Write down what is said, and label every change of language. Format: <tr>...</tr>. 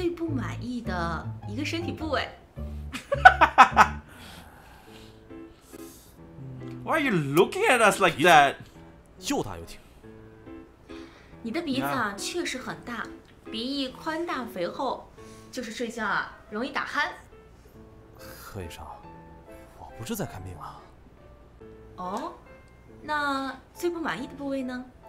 <zh>说出你最满意和最不满意的一个身体部位。</zh> <en>Why are you looking at us like that?</en> <zh>又大又挺。你的鼻子确实很大，鼻翼宽大肥厚，就是睡觉啊容易打鼾。贺医生，我不是在看病啊。哦， 那最不满意的部位呢？</zh>